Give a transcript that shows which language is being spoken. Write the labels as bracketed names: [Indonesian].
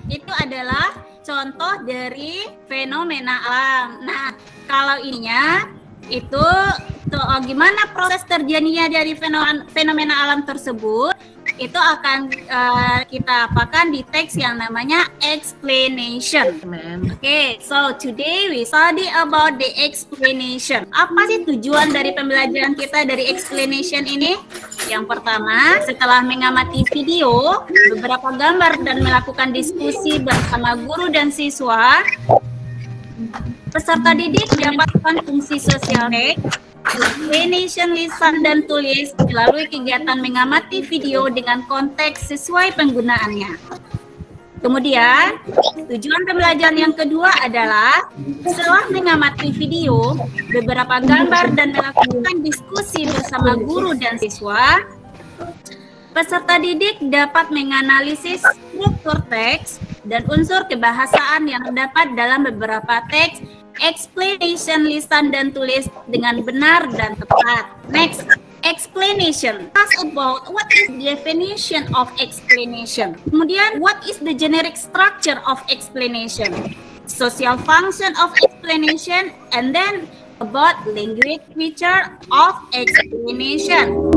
[Indonesian] Itu adalah contoh dari fenomena alam. Nah, kalau ininya itu tuh, gimana proses terjadinya dari fenomena alam tersebut, itu akan kita apakan di teks yang namanya explanation. [English] Okay, so today we study about the explanation. [Indonesian] Apa sih tujuan dari pembelajaran kita dari explanation ini? Yang pertama, setelah mengamati video, beberapa gambar, dan melakukan diskusi bersama guru dan siswa, peserta didik mendapatkan fungsi sosial teks, explanation lisan dan tulis melalui kegiatan mengamati video dengan konteks sesuai penggunaannya. Kemudian, tujuan pembelajaran yang kedua adalah setelah mengamati video, beberapa gambar dan melakukan diskusi bersama guru dan siswa, peserta didik dapat menganalisis struktur teks dan unsur kebahasaan yang terdapat dalam beberapa teks explanation lisan dan tulis dengan benar dan tepat. [English] Next, explanation. Ask about what is the definition of explanation. Kemudian, what is the generic structure of explanation? Social function of explanation, and then about language feature of explanation.